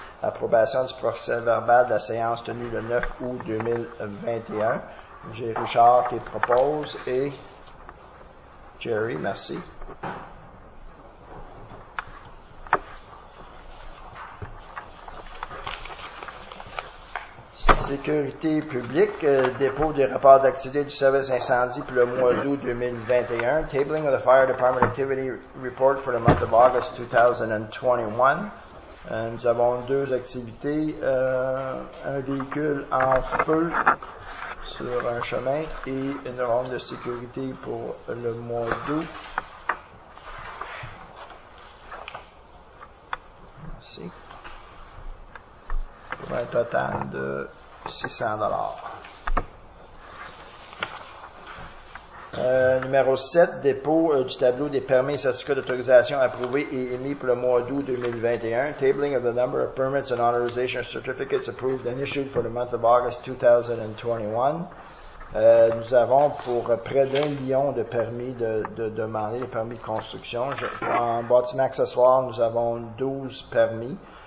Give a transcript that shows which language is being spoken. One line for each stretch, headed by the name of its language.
French: Approbation du procès-verbal de la séance tenue le 9 août 2021. J'ai Richard qui propose et Jerry, merci. Sécurité publique, dépôt des rapports d'activité du service incendie pour le mois d'août 2021.
English: Tabling of the Fire Department Activity Report for the month of August 2021.
French: Nous avons deux activités, un véhicule en feu sur un chemin et une ronde de sécurité pour le mois d'août. Merci. Pour un total de 600 $. Numéro 7, dépôt du tableau des permis et certificats d'autorisation approuvés et émis pour le mois d'août 2021.
English: Tabling of the number of permits and authorization certificates approved and issued for the month of August 2021.
French: Nous avons pour près d'un million de permis de demander, les permis de construction. En bâtiment accessoire, nous avons 12 permis.